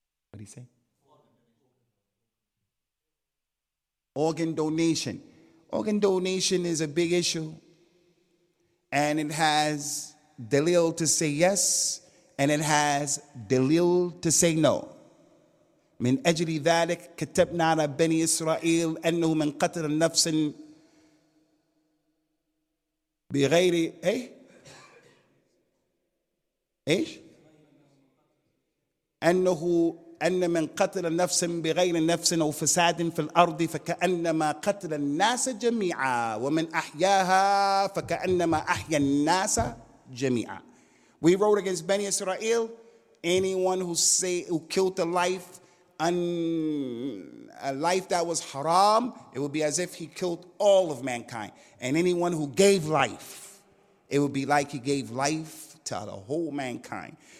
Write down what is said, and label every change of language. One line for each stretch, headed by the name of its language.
English: What did he say? Organ donation. Organ donation is a big issue, and it has dalil to say yes, and it has dalil to say no.
Arabic: من أجل ذلك كتبنا على بني إسرائيل أنه من قتل نفس بغير إيه إيش أنه أن من قتل نفس بغير نفس أو فساد في الأرض فكأنما قتل الناس جميعا ومن أحياها فكأنما أحيا الناس جميعا.
English: We wrote against Bani Israel, anyone who killed a life and a life that was haram, it would be as if he killed all of mankind. And anyone who gave life, it would be like he gave life to the whole mankind.